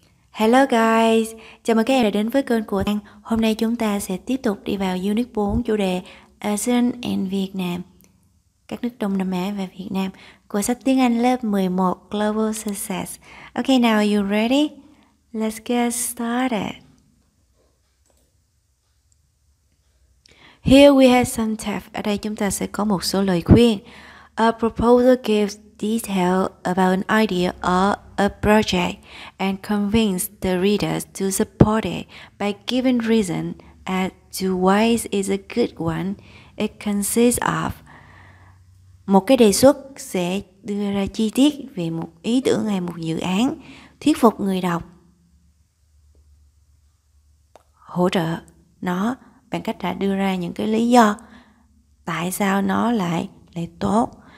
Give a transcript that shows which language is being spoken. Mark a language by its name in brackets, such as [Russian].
[English] Hello guys, [Vietnamese] chào mừng các em đã đến với kênh của Tăng. Hôm nay chúng ta sẽ tiếp tục đi vào Unit 4 chủ đề ASEAN and Vietnam, các nước Đông Nam Á và Việt Nam của sách tiếng Anh lớp 11 Global Success. [English] Ok, now you ready? Let's get started. Here we have some tips. [Vietnamese] Ở đây chúng ta sẽ có một số lời khuyên. [English] A proposal gives detail about an idea or a project and convince the readers to support it by giving reason as to why it's a good one it consists of. [Vietnamese] Một cái đề xuất sẽ đưa ra chi tiết về một ý tưởng hay một dự án, thuyết phục người đọc hỗ trợ nó bằng cách đã đưa ra những cái lý do tại sao nó lại tốt.